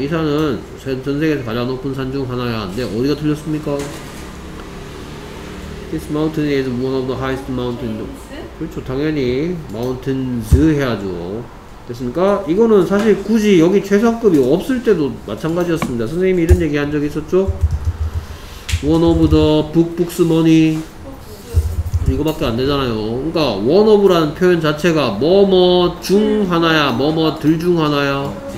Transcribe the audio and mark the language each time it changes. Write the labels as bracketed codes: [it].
[ko] 이 산은 전 세계에서 가장 높은 산 중 하나야. 근데 어디가 틀렸습니까? [en] This mountain is one of the highest mountains. [ko] 그렇죠. 당연히 mountains 해야죠. 됐습니까? 이거는 사실 굳이 여기 최상급이 없을 때도 마찬가지였습니다. 선생님이 이런 얘기 한 적이 있었죠? [en] One of the book books money. [ko] 이거밖에 안 되잖아요. 그러니까 one of라는 표현 자체가 뭐뭐 중 하나야, 뭐뭐 들 중 하나야.